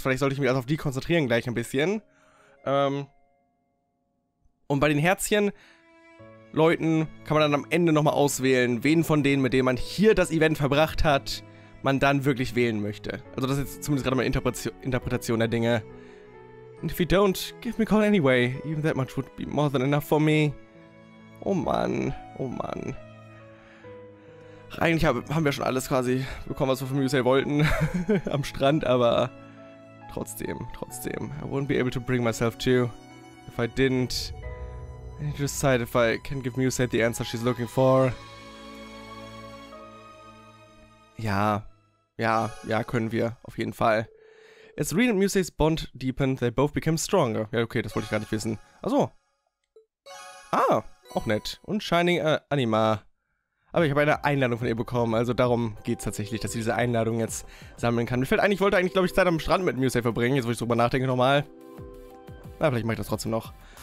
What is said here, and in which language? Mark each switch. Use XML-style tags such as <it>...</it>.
<de>Vielleicht sollte ich mich also auf die konzentrieren gleich ein bisschen. Und bei den Herzchen-Leuten kann man dann am Ende nochmal auswählen, wen von denen, mit denen man hier das Event verbracht hat, man dann wirklich wählen möchte. Also das ist jetzt zumindest gerade meine Interpretation der Dinge.</de> <en>And if you don't, give me a call anyway. Even that much would be more than enough for me.</en> <de>Oh Mann, oh Mann. Ach, eigentlich haben wir schon alles quasi bekommen, was wir von Musei wollten. Am Strand, aber trotzdem, trotzdem.</de> <en>I wouldn't be able to bring myself to. If I didn't, I need to decide if I can give Musei the answer she's looking for.</en> <de>Ja, ja, ja, können wir, auf jeden Fall.</de> <en>As Rean and Musei's bond deepened, they both became stronger.</en> <de>Ja, okay, das wollte ich gar nicht wissen. Achso. Ah, auch nett. Und Shining Anima. Aber ich habe eine Einladung von ihr bekommen, also darum geht es tatsächlich, dass sie diese Einladung jetzt sammeln kann. Mir fällt ein, ich wollte eigentlich, glaube ich, Zeit am Strand mit Musei verbringen, jetzt wo ich drüber nachdenke nochmal. Na, vielleicht mache ich das trotzdem noch.</de>